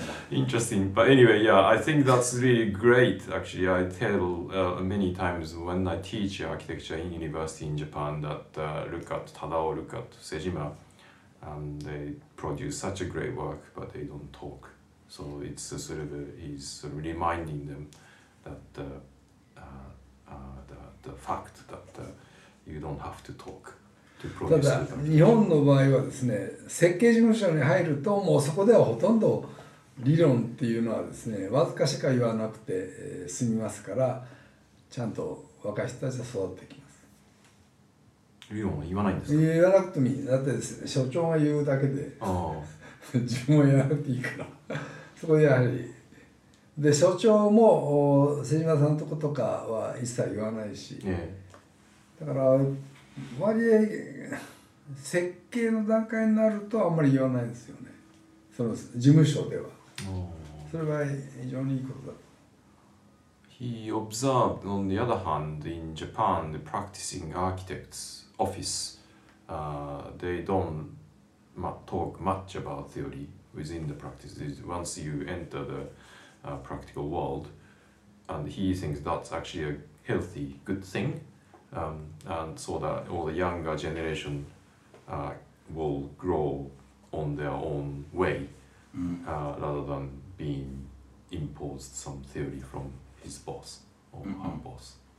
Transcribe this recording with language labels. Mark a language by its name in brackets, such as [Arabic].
[English] interesting but anyway, yeah, I think that's really great actually, I tell many times when I teach architecture in university in Japan that look at Tadao, look at Sejima and they produce such a great work but they don't talkSo it's sort of, he's sort of reminding them that the fact that you don't have to talk to produce [Japanese] ただ日本の場合はですね、設計事務所に入るともうそこではほとんど理論っていうのはですね、わずかしか言わなくて済みますから、ちゃんと若い人たちは育ってきます。理論は言わないんですか？言わなくてもいい。だってですね、所長が言うだけで。あ自分は言わなくていいからそこでやはりで所長も瀬島さんのとことかは一切言わないし、 [English] yeah. [Japanese] だから割合設計の段階になるとあんまり言わないですよねその事務所では、 [English] oh. [Japanese] それは非常にいいことだ [English] He observed on the other hand in Japan the practicing architects office they don't talk much about theory within the practice. Once you enter the practical world, and he thinks that's actually a healthy, good thing, and so that all the younger generation will grow on their own way, rather than being imposed some theory from his boss or her boss.